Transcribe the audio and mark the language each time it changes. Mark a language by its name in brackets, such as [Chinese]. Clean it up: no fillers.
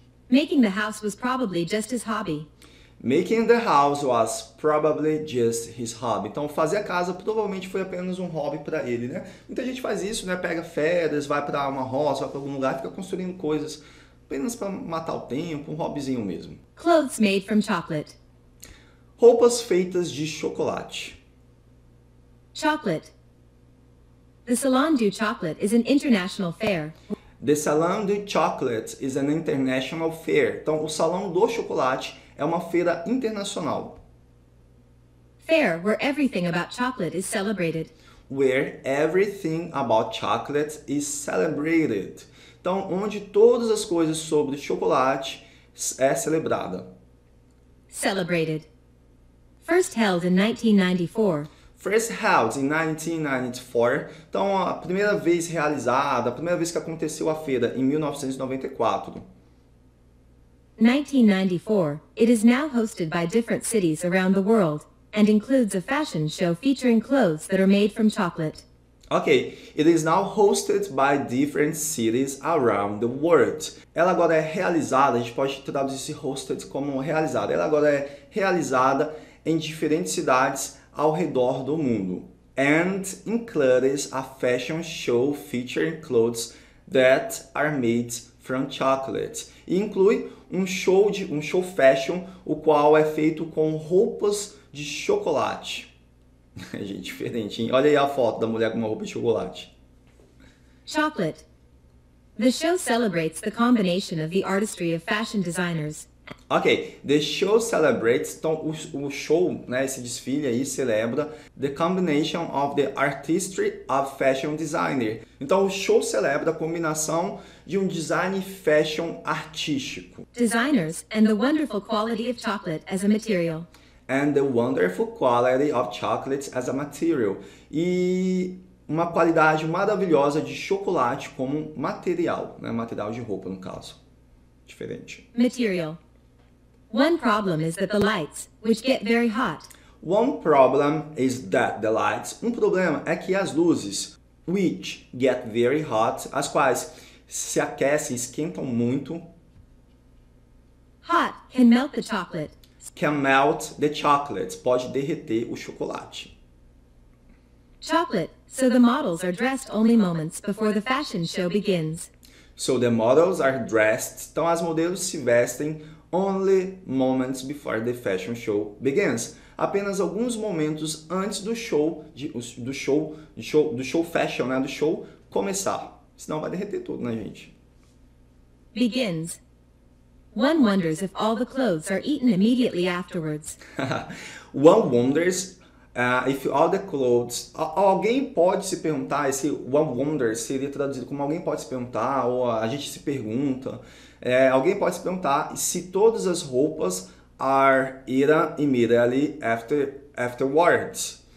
[English] Making the house was probably just his hobby. Making the house was probably just his hobby. [Portuguese] Então, fazer a casa provavelmente foi apenas um hobby para ele, né? Muita gente faz isso, né? Pega férias, vai para uma roça, vai para algum lugar, fica construindo coisas apenas para matar o tempo, um hobbyzinho mesmo. [English] Clothes made from chocolate. [Portuguese] Roupas feitas de chocolate. [English] Chocolate. The Salon du Chocolat is an international fair. The Salon du Chocolat is an international fair. [Portuguese] Então, o Salão do Chocolate é uma feira internacional. [English] Fair, where everything about chocolate is celebrated. Where everything about chocolate is celebrated. [Portuguese] Então, onde todas as coisas sobre chocolate é celebrada. [English] Celebrated. First held in 1994. First held in 1994. [Portuguese] Então, a primeira vez realizada, a primeira vez que aconteceu a feira em 1994. [English] 1994, it is now hosted by different cities around the world and includes a fashion show featuring clothes that are made from chocolate. Okay, it is now hosted by different cities around the world. [Portuguese] Ela agora é realizada, a gente pode traduzir esse hosted como realizada. Ela agora é realizada em diferentes cidades ao redor do mundo. [English] And includes a fashion show featuring clothes that are made from chocolate. [Portuguese] E inclui um show fashion, o qual é feito com roupas de chocolate. Gente, diferente, hein? Olha aí a foto da mulher com uma roupa de chocolate. [English] Chocolate. The show celebrates the combination of the artistry of fashion designers. Ok, the show celebrates, [Portuguese] então o show, né, esse desfile aí, celebra [English] the combination of the artistry of fashion designer. [Portuguese] Então o show celebra a combinação de um design fashion artístico. [English] Designers and the wonderful quality of chocolate as a material. And the wonderful quality of chocolate as a material. [Portuguese] E uma qualidade maravilhosa de chocolate como material, né, material de roupa no caso. Diferente. [English] Material. One problem is that the lights, which get very hot. One problem is that the lights. [Portuguese] Um problema é que as luzes, [English] which get very hot, [Portuguese] as quais se aquecem, esquentam muito. [English] Hot can melt the chocolate. Can melt the chocolate. [Portuguese] Pode derreter o chocolate. [English] Chocolate. So the models are dressed only moments before the fashion show begins. So the models are dressed. [Portuguese] Então as modelos se vestem. [English] Only moments before the fashion show begins. [Portuguese] Apenas alguns momentos antes do show começar. Senão vai derreter tudo, né, gente? [English] Begins. One wonders if all the clothes are eaten immediately afterwards. One wonders if all the clothes... [Portuguese] Alguém pode se perguntar, esse [English] one wonders [Portuguese] seria traduzido como alguém pode se perguntar, ou a gente se pergunta... Alguém pode se perguntar se todas as roupas [English] are eaten immediately afterwards.